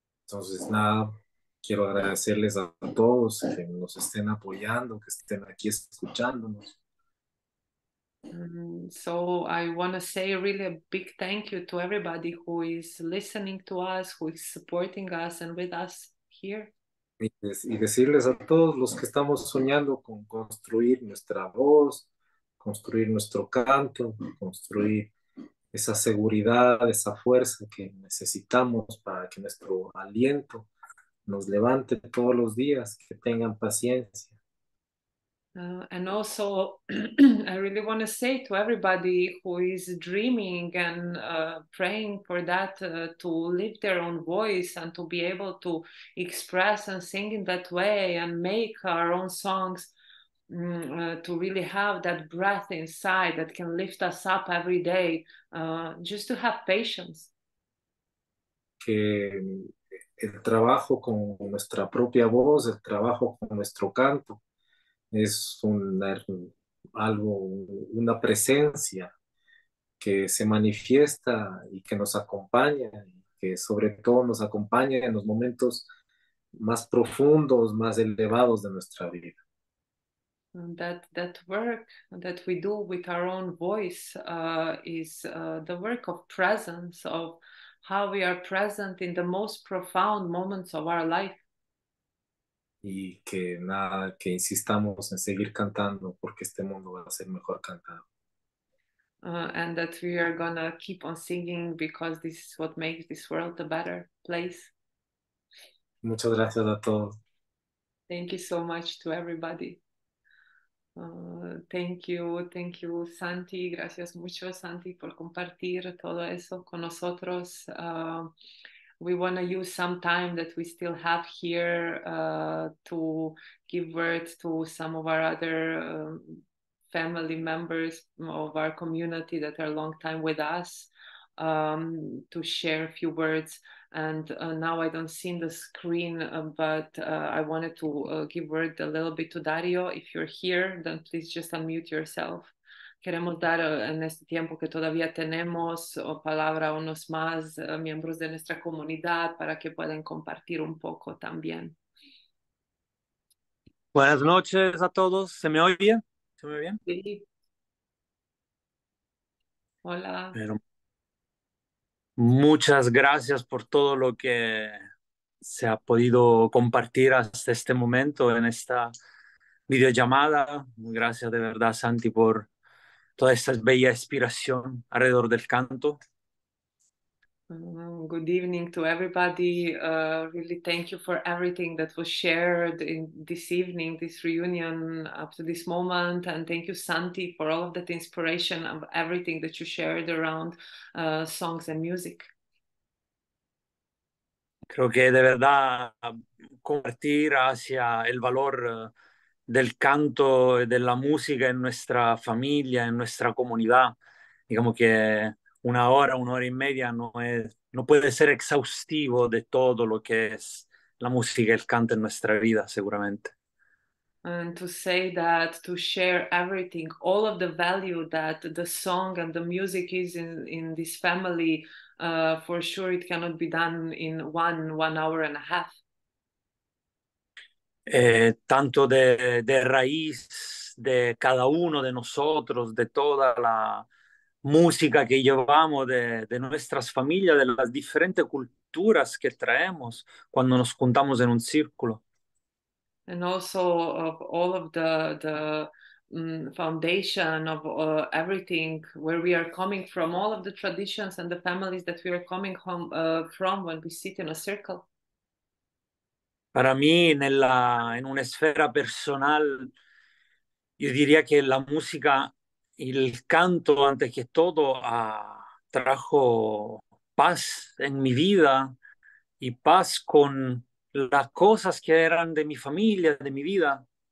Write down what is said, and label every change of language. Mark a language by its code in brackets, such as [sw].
[es] Entonces, nada, quiero agradecerles a todos que nos estén apoyando, que estén aquí escuchándonos. [en] So I want to say really a big thank you to everybody who is listening to us, who is supporting us and with us here. [es] Y decirles a todos los que estamos soñando con construir nuestra voz, construir nuestro canto, construir esa seguridad, esa fuerza que necesitamos para que nuestro aliento nos levante todos los días, que tengan paciencia. [en] And also, I really want to say to everybody who is dreaming and praying for that to live their own voice and to be able to express and sing in that way and make our own songs, to really have that breath inside that can lift us up every day, just to have patience. [es] Que el trabajo con nuestra propia voz, el trabajo con nuestro canto, es una presencia que se manifiesta y que nos acompaña, que sobre todo nos acompaña en los momentos más profundos, más elevados de nuestra vida. [en] That work that we do with our own voice is the work of presence, of how we are present in the most profound moments of our life. [es] Y que nada, que insistamos en seguir cantando porque este mundo va a ser mejor cantado. [en] And that we are gonna keep on singing because this is what makes this world a better place. [es] Muchas gracias a todos. [en] Thank you so much to everybody. Thank you, Santi. [es] Gracias mucho, Santi, por compartir todo eso con nosotros. [en] We want to use some time that we still have here to give words to some of our other family members of our community that are long time with us, to share a few words. And now I don't see in the screen, but I wanted to give word a little bit to Dario. If you're here, then please just unmute yourself. [es] Queremos dar en este tiempo que todavía tenemos palabra a unos más miembros de nuestra comunidad para que puedan compartir un poco también. Buenas noches a todos. ¿Se me oye bien? ¿Se me oye bien? Sí. Hola. Pero muchas gracias por todo lo que se ha podido compartir hasta este momento en esta videollamada. Gracias de verdad, Santi, por toda esta bella inspiración alrededor del canto. [en] Good evening to everybody. Really thank you for everything that was shared in this evening, this reunion up to this moment. And thank you, Santi, for all of that inspiration of everything that you shared around songs and music. [es] Creo que de verdad compartir hacia el valor del canto y de la música en nuestra familia, en nuestra comunidad. Digamos que una hora y media no puede ser exhaustivo de todo lo que es la música y el canto en nuestra vida, seguramente. [en] And to say that, to share everything, all of the value that the song and the music is in this family, for sure it cannot be done in one hour and a half. [es] Tanto de raíz de cada uno de nosotros, de toda la música que llevamos, de nuestras familias, de las diferentes culturas que traemos cuando nos juntamos en un círculo. [en] And also of all of the foundation of everything where we are coming from, all of the traditions and the families that we are coming home from when we sit in a circle. [es] Para mí, en una esfera personal, yo diría que la música y el canto, antes que todo, trajo paz en mi vida y paz con las cosas que eran de mi familia, de mi vida.